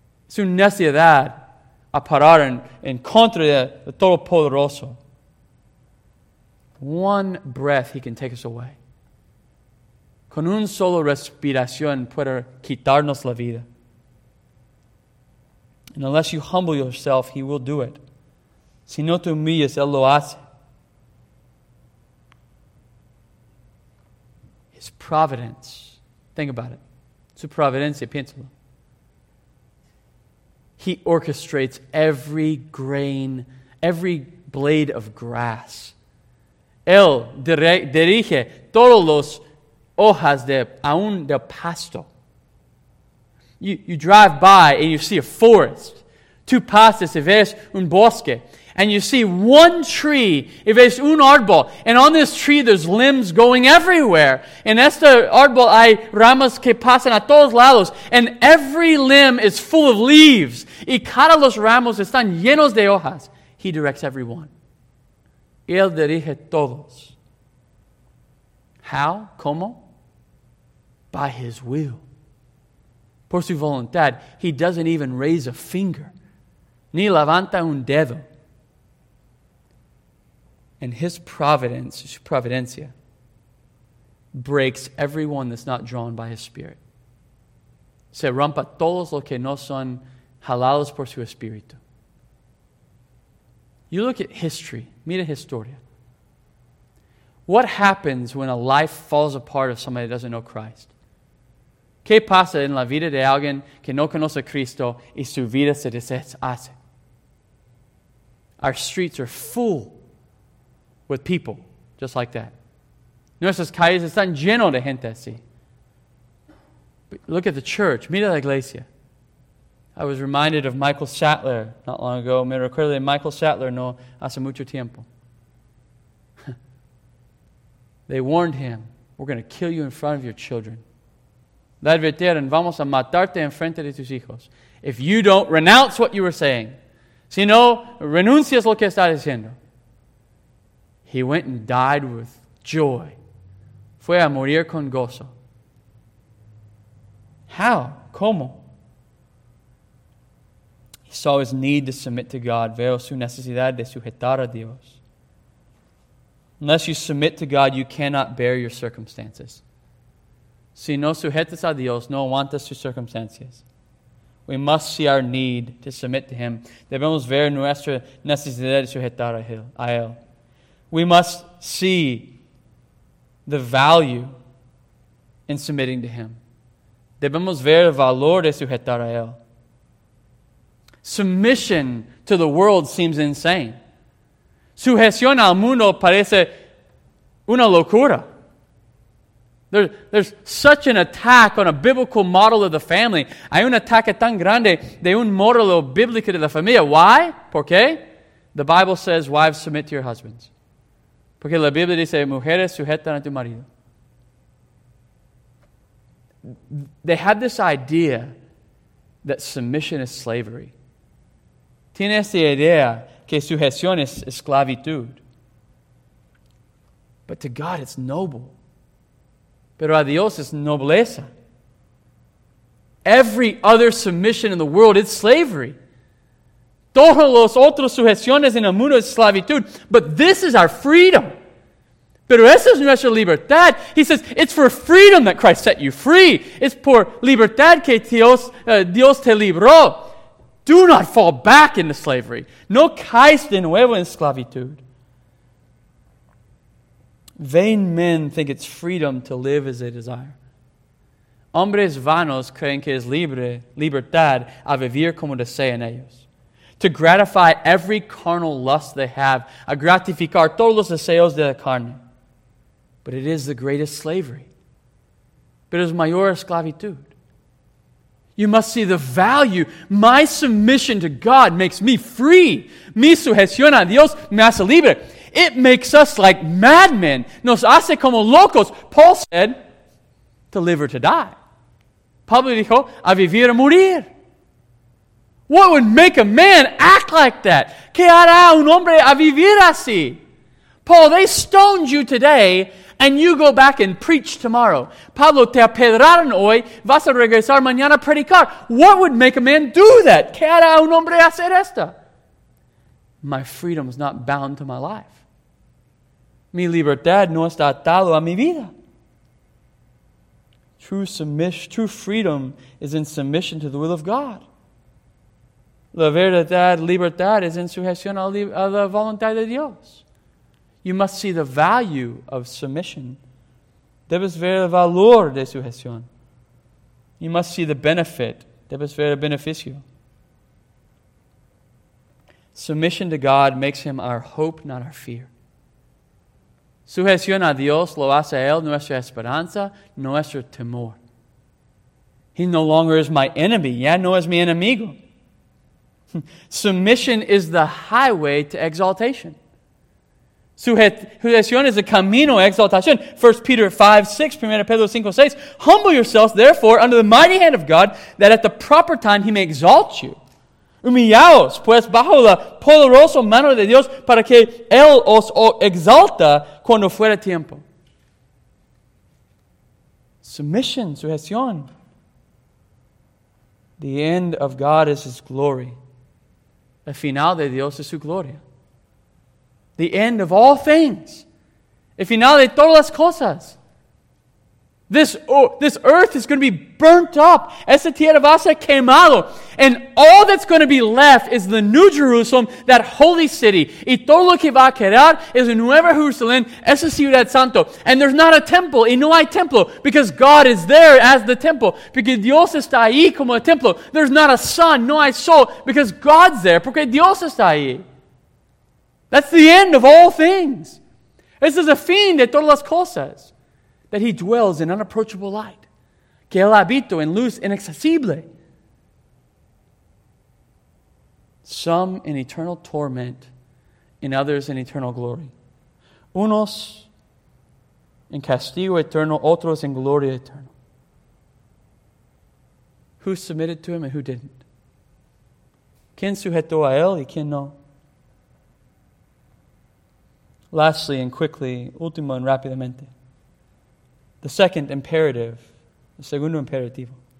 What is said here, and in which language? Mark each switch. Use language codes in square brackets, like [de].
[es] Es una necedad a parar en contra de Todopoderoso. [en] One breath, he can take us away. [es] Con un solo respiración puede quitarnos la vida. [en] And unless you humble yourself, he will do it. [es] Si no te humillas, él lo hace. [en] His providence. Think about it. [es] Su providencia, piénsalo. [en] He orchestrates every grain, every blade of grass. [es] Él dirige todos los hojas de aún de pasto. [en] You drive by and you see a forest. [es] Tú pasas y ves un bosque. [en] And you see one tree, [es] y ves un árbol. [en] And on this tree there's limbs going everywhere. [es] En este árbol hay ramas que pasan a todos lados. [en] And every limb is full of leaves. [es] Y cada los ramos están llenos de hojas. [en] He directs every one. [es] Él dirige todos. [en] How? [es] ¿Cómo? [en] By his will. [es] Por su voluntad, [en] he doesn't even raise a finger. [es] Ni levanta un dedo. [en] And his providence, [es] su providencia, [en] breaks everyone that's not drawn by his spirit. [es] Se rompa todos los que no son jalados por su espíritu. [en] You look at history. [es] Mira historia. [en] What happens when a life falls apart of somebody that doesn't know Christ? [es] ¿Qué pasa en la vida de alguien que no conoce a Cristo y su vida se deshace? [en] Our streets are full with people just like that. [es] Nuestras calles están llenas de gente así. [en] But look at the church. [es] Mira la iglesia. [en] I was reminded of Michael Sattler not long ago. [es] Me recuerdo de Michael Sattler no hace mucho tiempo. [en] They warned him, "We're going to kill you in front of your children." [es] Le advirtieron, vamos a matarte en frente de tus hijos. [en] If you don't renounce what you were saying, [es] si no renuncias lo que está diciendo. [en] He went and died with joy. [es] Fue a morir con gozo. [en] How? [es] ¿Cómo? [en] He saw his need to submit to God. [es] Veo su necesidad de sujetar a Dios. [en] Unless you submit to God, you cannot bear your circumstances. [es] Si no sujetas a Dios, no aguantas sus circunstancias. [en] We must see our need to submit to Him. [es] Debemos ver nuestra necesidad de sujetar a Él. [en] We must see the value in submitting to Him. [es] Debemos ver el valor de sujetar a Él. [en] Submission to the world seems insane. [es] Sujeción al mundo parece una locura. [en] There's such an attack on a biblical model of the family. [es] Hay un ataque tan grande de un modelo bíblico de la familia. [en] Why? [es] ¿Por qué? [en] The Bible says, wives, submit to your husbands. [es] Porque la Biblia dice, mujeres, sujetan a tu marido. [en] They had this idea that submission is slavery. [es] Tiene esta idea que sujeción es esclavitud. [en] But to God, it's noble. [es] Pero a Dios es nobleza. [en] Every other submission in the world is slavery. [es] Todos los otros sujeciones en el mundo es esclavitud. [en] But this is our freedom. [es] Pero esa es nuestra libertad. [en] He says, it's for freedom that Christ set you free. [es] Es por libertad que Dios te libró. [en] Do not fall back into slavery. [es] No caes de nuevo en esclavitud. [en] Vain men think it's freedom to live as they desire. [es] Hombres vanos creen que es libertad a vivir como desean ellos. [en] To gratify every carnal lust they have, [es] a gratificar todos los deseos de la carne. [en] But it is the greatest slavery. [es] Pero es mayor esclavitud. [en] You must see the value. My submission to God makes me free. [es] Mi sujeción a Dios me hace libre. [en] It makes us like madmen. [es] Nos hace como locos. [en] Paul said, to live or to die. [es] Pablo dijo, a vivir o morir. [en] What would make a man act like that? [es] ¿Qué hará un hombre a vivir así? [en] Paul, they stoned you today, and you go back and preach tomorrow. [es] Pablo, te apedraron hoy, vas a regresar mañana a predicar. [en] What would make a man do that? [es] ¿Qué hará un hombre hacer esto? [en] My freedom is not bound to my life. [es] Mi libertad no está atado a mi vida. [en] True freedom is in submission to the will of God. [es] La verdad, libertad, es en sujeción a la voluntad de Dios. [en] You must see the value of submission. [es] Debes ver el valor de sujeción. [en] You must see the benefit. [es] Debes ver el beneficio. [en] Submission to God makes him our hope, not our fear. [es] Sujeción a Dios lo hace a él nuestra esperanza, nuestro temor. [en] He no longer is my enemy, [es] ya no es mi enemigo. [en] Submission is the highway to exaltation. [es] Sujeción es el camino a exaltación. 1 Peter 5:6, 1 Pedro 5:6. [en] Humble yourselves, therefore, under the mighty hand of God, that at the proper time he may exalt you. [es] Humillaos, pues, bajo la poderosa mano de Dios, para que él os exalta cuando fuera tiempo. [en] Submission, sujeción. The end of God is his glory. [es] El final de Dios es su gloria. [en] The end of all things. [es] El final de todas las cosas. [en] This earth is going to be burnt up. [es] Esa tierra va a ser quemado. [en] And all that's going to be left is the new Jerusalem, that holy city. [es] Y todo lo que va a quedar es el nuevo Jerusalén, esa ciudad santo. [en] And there's not a temple, [es] y no hay templo, [en] because God is there as the temple. [es] Porque Dios está ahí como el templo. [en] There's not a sun, [es] no hay sol, [en] because God's there, [es] porque Dios está ahí. [en] That's the end of all things. This is a [es] fin de todas las cosas. [en] That he dwells in unapproachable light. [es] Que él habito en luz inaccesible. [en] Some in eternal torment, and others in eternal glory. [es] Unos en castigo eterno, otros en gloria eterna. [en] Who submitted to him and who didn't? [es] ¿Quién sujetó a él y quién no? [en] Lastly and quickly, último and rápidamente. The second imperative, the [es] segundo imperativo.